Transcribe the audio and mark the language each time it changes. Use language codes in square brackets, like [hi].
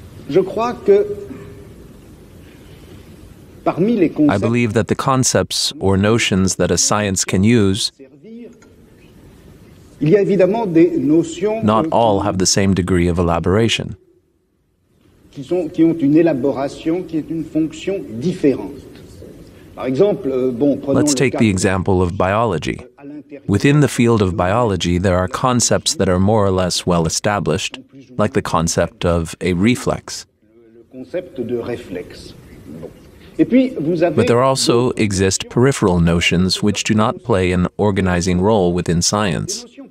[fr] Je crois que [en] I believe that the concepts or notions that a science can use, not all have the same degree of elaboration. [fr] Qui ont une élaboration qui est une fonction différente. Par exemple, [en] let's take the example of biology. Within the field of biology, there are concepts that are more or less well established, like the concept of a reflex. But there also exist peripheral notions which do not play an organizing role within science.